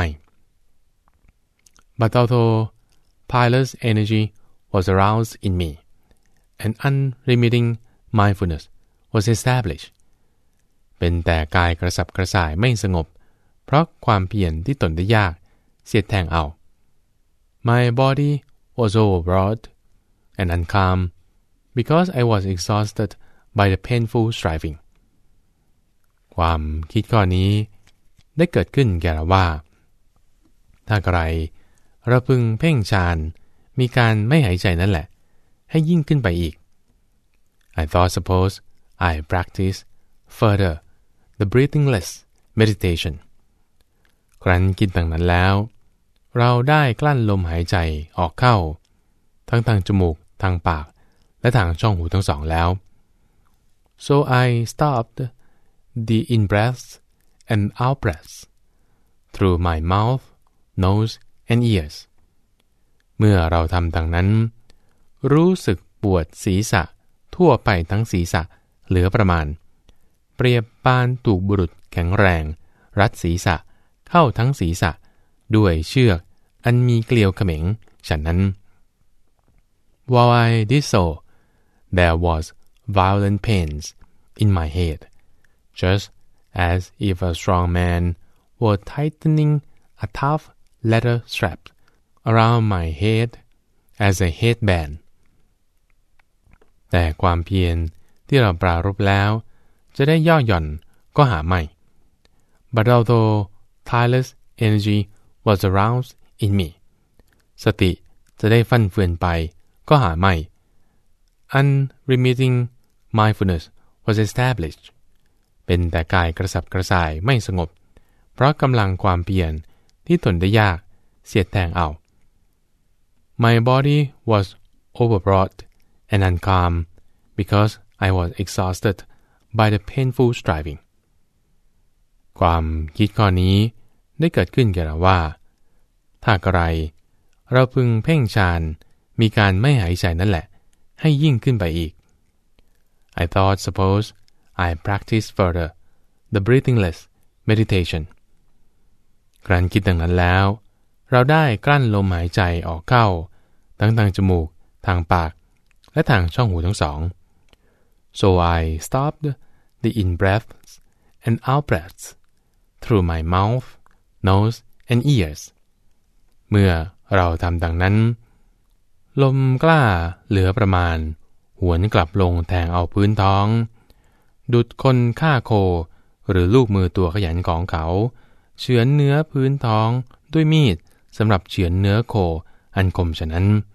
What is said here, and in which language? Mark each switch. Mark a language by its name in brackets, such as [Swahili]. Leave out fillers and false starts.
[English] But although pilot's energy was aroused in me, an unremitting mindfulness was established. [Thai] เป็นแต่กายกระสับกระส่ายไม่สงบเพราะความเพียรที่ตนได้ยากเสียดแทงเอา [English] My body was overwrought and uncalm because I was exhausted by the painful striving. [Thai] ความคิดข้อนี้ได้เกิดขึ้นแก่เราว่าถ้าใครระพึงเพ่งฌานมีการไม่หายใจนั่นแหละให้ยิ่งขึ้นไปอีก [English] I thought suppose I practice further the breathingless meditation. [Thai] ครั้นคิดดังนั้นแล้วเราได้กลั้นลมหายใจออกเข้าทั้งทางจมูกทางปากและทางช่องหูทั้งสองแล้ว [English] So I stopped the in-breaths and out-breaths through my mouth, nose, and ears. [Thai] เมื่อเราทำดังนั้นรู้สึกปวดศีรษะทั่วไปทั้งศีรษะเหลือประมาณเปรียบปานถูกบุรุษแข็งแรงรัดศีรษะเข้าทั้งศีรษะด้วยเชือกอันมีเกลียวเขม็งฉะนั้น [English] While I did so, there was violent pains in my head, just as if a strong man were tightening a tough leather strap around my head as a headband. [Thai] แต่ความเพียรที่เราปรารภแล้วจะได้ย่อหย่อนก็หาไม่ [English] But although Tireless energy was aroused in me. [Thai] สติจะได้ฟั่นเฟือนไปก็หาไม่ [English] Unremitting mindfulness was established. [Thai] เป็นแต่กายกระสับกระส่ายไม่สงบเพราะกำลังความเพียรที่ทนได้ยากเสียดแทงเอา [English] My body was overwrought and uncalm because I was exhausted by the painful striving. [Thai] ความคิดข้อนี้ได้เกิดขึ้นแก่เราว่าถ้าใครเราพึงเพ่งฌานมีการไม่หายใจนั่นแหละให้ยิ่งขึ้นไปอีก [English] I thought suppose I practice further the breathingless meditation [Thai] ครั้นคิดดังนั้นแล้วเราได้กลั้นลมหายใจออกเข้าทั้งทางจมูกทางปากและทางช่องหูทั้งสอง [English] So I stopped the in-breathand out-breaths through my mouth, nose, and ears. [Thai] เมื่อเราทำดังนั้นลมกล้าเหลือประมาณหวนกลับลงแทงเอาพื้นท้องดุดคนฆ่าโคหรือลูกมือตัวขยันของเขาเฉือนเนื้อพื้นท้องด้วยมีดสำหรับเฉือนเนื้อโคอันคมฉะนั้น